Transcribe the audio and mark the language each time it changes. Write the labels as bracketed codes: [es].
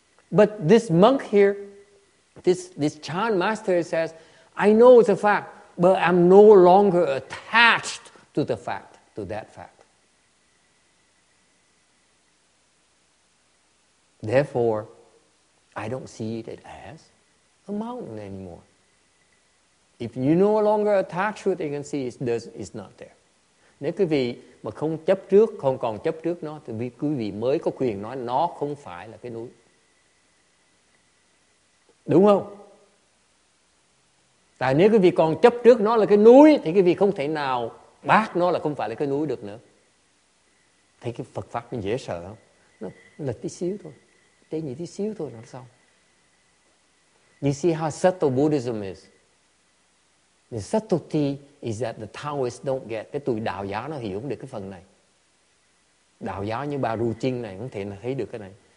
[en] But this monk here, this Chan master says, I know it's a fact, but I'm no longer attached to the fact. To that fact. Therefore, I don't see it as a mountain anymore. If you no longer attach to it, you can see it's not there. [vi] Nếu quý vị mà không chấp trước, không còn chấp trước nó, thì quý vị mới có quyền nói nó không phải là cái núi. Đúng không? Tại nếu quý vị còn chấp trước nó là cái núi, thì quý vị không thể nào bác nó là không phải là cái núi được nữa. Thấy cái Phật Pháp nó dễ sợ không? Nó lật tí xíu thôi. Tế nhị tí xíu thôi là xong. [en] You see how subtle Buddhism is? The subtlety is that the Taoists don't get. [vi] Cái tụi đạo giáo nó hiểu không được cái phần này. Đạo giáo như Ba Ru Trinh này không thể nào thấy được cái này.